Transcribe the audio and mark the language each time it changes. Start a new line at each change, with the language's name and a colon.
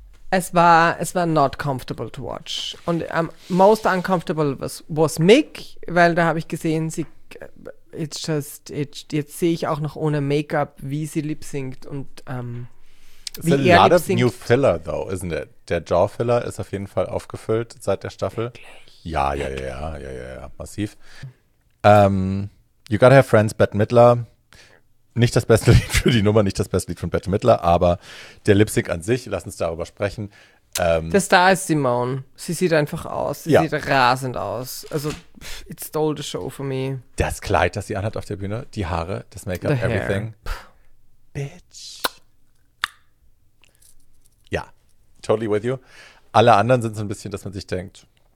German: Es war
English: not comfortable to watch.
German: Und
English: most uncomfortable was Mick,
German: weil da habe ich gesehen, sie... jetzt sehe ich auch noch ohne Make-up, wie sie lip-synct und wie er lip-synct.
English: It's a lot of new filler, though, isn't it?
German: Der Jaw-Filler ist auf jeden Fall aufgefüllt seit der Staffel. Ja, massiv. You Gotta Have Friends, Bette Midler. Nicht das beste Lied für die Nummer, nicht das beste Lied von Bette Midler, aber der Lip-Sync an sich, lass uns darüber sprechen. Der Star ist Simone. Sie sieht einfach aus. Sieht rasend aus.
English: Also, it stole the show for me.
German: Das Kleid, das sie anhat auf der Bühne, die Haare, das Make-up,
English: the everything.
German: Bitch. Ja,
English: totally with you.
German: Alle anderen sind so ein bisschen, dass man sich denkt,